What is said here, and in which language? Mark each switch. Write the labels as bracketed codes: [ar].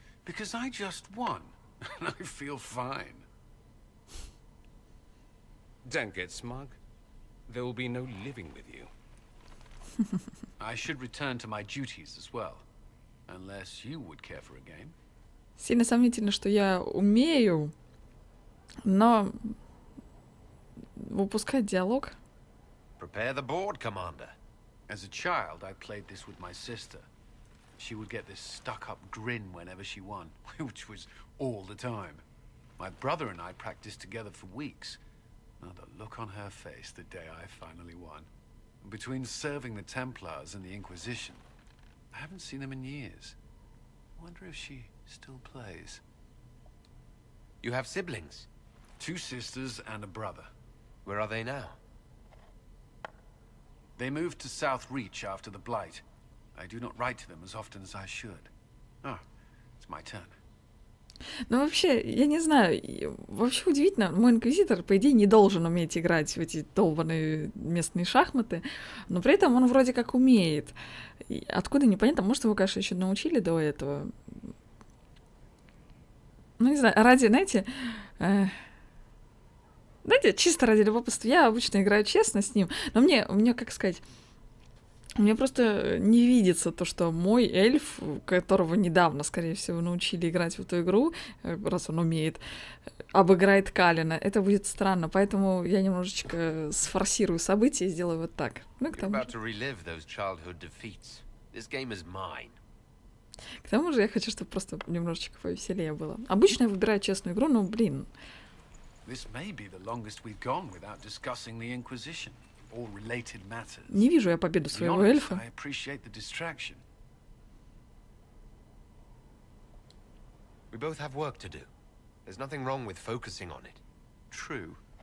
[en] Because I just won, and I feel fine. Don't get smug. There will be no living with you. I should return to my duties as well, unless you would care for a game. [ru] Сильно сомнительно, что я умею, но выпускать диалог. [en] Prepare the board, Commander. As a child, I played this with my sister. She would get this stuck-up grin whenever she won, which was all the time. My brother and I practiced together for weeks. Now the look on her face the day I finally won. Between serving the Templars and the Inquisition, I haven't seen them in years. I wonder if she still plays. You have siblings? Two sisters and a brother. Where are they now? They moved to South Reach after the Blight. I do not write to them as often as I should. Ah, it's my turn. [ru] Ну, вообще, я не знаю, вообще удивительно, мой инквизитор, по идее, не должен уметь играть в эти долбанные местные шахматы, но при этом он вроде как умеет. И откуда, непонятно, может, его, конечно, еще научили до этого. Ну, не знаю, ради, знаете, знаете, чисто ради любопытства, я обычно играю честно с ним, но мне, как сказать... Мне просто не видится то, что мой эльф, которого недавно, скорее всего, научили играть в эту игру, раз он умеет, обыграет Калина. Это будет странно, поэтому я немножечко сфорсирую события и сделаю вот так. Ну, к тому же, я хочу, чтобы просто немножечко повеселее было. Обычно я выбираю честную игру, но, блин... [en] This may be the longest we've gone without discussing the Inquisition. All related matters. [ru] Не вижу я победу своего эльфа. [en] I appreciate the distraction. We both have work to do. There's nothing wrong with focusing on it. True.